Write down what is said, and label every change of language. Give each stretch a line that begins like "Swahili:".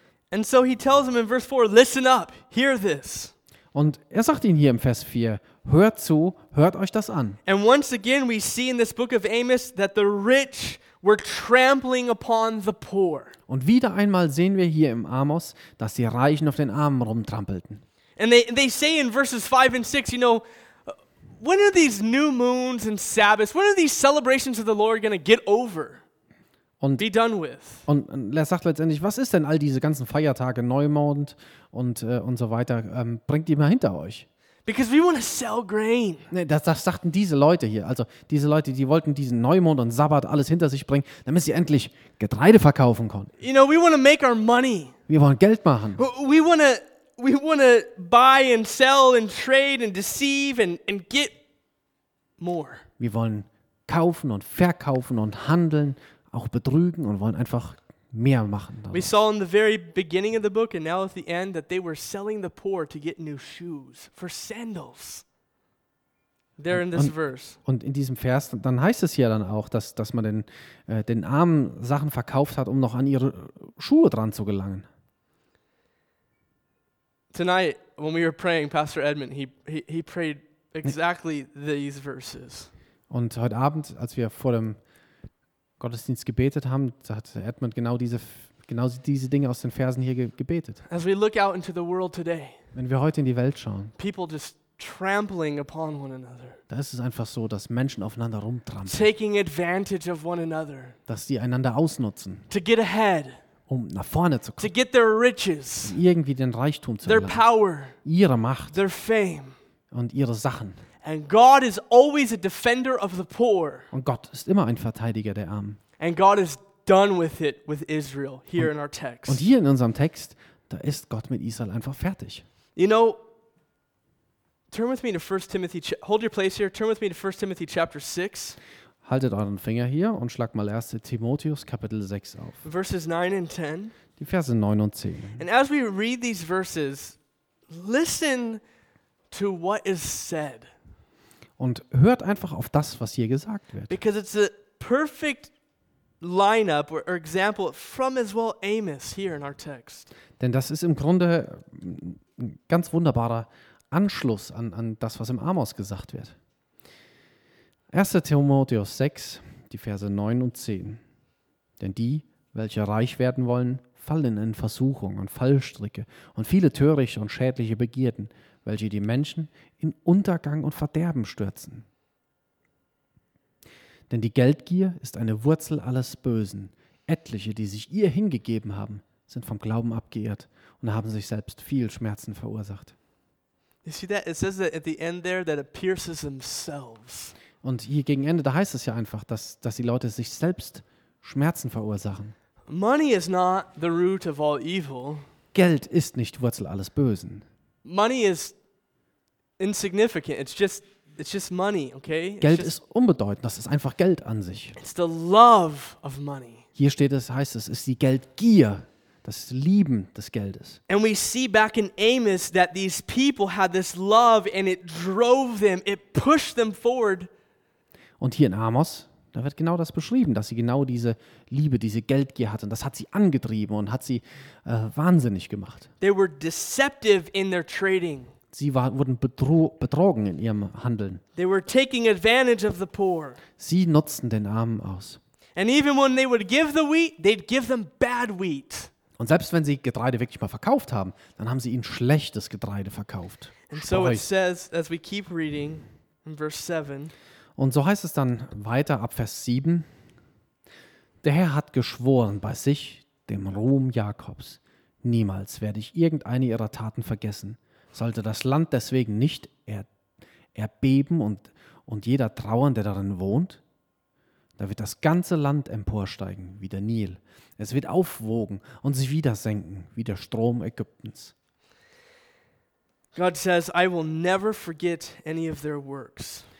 English: And so he tells him in verse 4, listen up, hear this.
German: Und er sagt ihnen hier im Vers 4, hört zu, hört euch das an.
English: And once again we see in this book of Amos that the rich were trampling upon the poor.
German: Und wieder einmal sehen wir hier im Amos, dass die Reichen auf den Armen rumtrampelten.
English: And they say in verses 5 and 6, you know, when are these new moons and Sabbaths, when are these celebrations of the Lord going to get over?
German: Und
English: be done with.
German: Und er sagt letztendlich, was ist denn all diese ganzen Feiertage, Neumond und so weiter, bringt die mal hinter euch.
English: Because we want to sell grain.
German: Nee, das sagten diese Leute hier. Also diese Leute, die wollten diesen Neumond und Sabbat alles hinter sich bringen, damit sie endlich Getreide verkaufen konnten.
English: You know, we want to make our money.
German: Wir wollen Geld machen.
English: We want to buy and sell and trade and deceive and get more.
German: Wir wollen kaufen und verkaufen und handeln, auch betrügen und wollen einfach mehr machen.
English: We saw in the very beginning of the book and now at the end that they were selling the poor to get new shoes for sandals. There in this verse.
German: Und in diesem Vers, dann heißt es hier dann auch, dass man den Armen Sachen verkauft hat, um noch an ihre Schuhe dran zu gelangen.
English: Tonight, when we were praying, Pastor Edmund, he prayed exactly these verses.
German: Und heute Abend, als wir vor dem Gottesdienst gebetet haben, da hat Edmund genau diese Dinge aus den Versen hier gebetet.
English: As we look out into the world today,
German: wenn wir heute in die Welt schauen,
English: people just trampling upon one another.
German: Das ist einfach so, dass Menschen aufeinander rumtrampeln.
English: Taking advantage of one another.
German: Dass sie einander ausnutzen.
English: To get ahead.
German: Um nach vorne zu kommen.
English: To get their riches.
German: Irgendwie den Reichtum zu erlangen.
English: Their power.
German: Ihre Macht.
English: Their fame.
German: Und ihre Sachen.
English: And God is always a defender of the poor.
German: Und Gott ist immer ein Verteidiger der Armen.
English: And God is done with it with Israel here in our text.
German: Und hier in unserem Text, da ist Gott mit Israel einfach fertig.
English: You know, turn with me to 1 Timothy. Hold your place here. Turn with me to 1 Timothy chapter 6.
German: Haltet euren Finger hier und schlag mal 1. Timotheus Kapitel 6 auf.
English: Verses 9 and 10.
German: Die Verse 9 und 10.
English: And as we read these verses, listen to what is said.
German: Und hört einfach auf das, was hier gesagt wird.
English: Because it's a perfect lineup or example from as well Amos here in our text.
German: Denn das ist im Grunde ein ganz wunderbarer Anschluss an das, was im Amos gesagt wird. 1. Timotheus 6, die Verse 9 und 10. Denn die, welche reich werden wollen, fallen in Versuchung und Fallstricke und viele törichte und schädliche Begierden, welche die Menschen in Untergang und Verderben stürzen. Denn die Geldgier ist eine Wurzel alles Bösen. Etliche, die sich ihr hingegeben haben, sind vom Glauben abgeirrt und haben sich selbst viel Schmerzen verursacht.
English: You see that? It says that at the end there that it pierces themselves.
German: Und hier gegen Ende, da heißt es ja einfach, dass die Leute sich selbst Schmerzen verursachen.
English: Money is not the root of all evil.
German: Geld ist nicht Wurzel alles Bösen.
English: Money is insignificant. It's just money, okay?
German: Geld ist unbedeutend. Das ist einfach Geld an sich.
English: It's the love of money.
German: Hier steht es, heißt es, ist die Geldgier. Das Lieben des Geldes.
English: And we see back in Amos that these people had this love and it drove them, it pushed them forward.
German: Und hier in Amos, da wird genau das beschrieben, dass sie genau diese Liebe, diese Geldgier hatten. Das hat sie angetrieben und hat sie wahnsinnig gemacht.
English: They were deceptive in their trading.
German: Sie wurden betrogen in ihrem Handeln.
English: They were taking advantage of the poor.
German: Sie nutzten den Armen aus.
English: And even when they would give the wheat, they'd give them bad wheat.
German: Und selbst wenn sie Getreide wirklich mal verkauft haben, dann haben sie ihnen schlechtes Getreide verkauft.
English: And so it says, as we keep reading, in verse 7.
German: Und so heißt es dann weiter ab Vers 7. Der Herr hat geschworen bei sich, dem Ruhm Jakobs, niemals werde ich irgendeine ihrer Taten vergessen. Sollte das Land deswegen nicht erbeben und jeder trauern, der darin wohnt, da wird das ganze Land emporsteigen wie der Nil. Es wird aufwogen und sich wieder senken wie der Strom Ägyptens.
English: God says, I will never forget any of their works.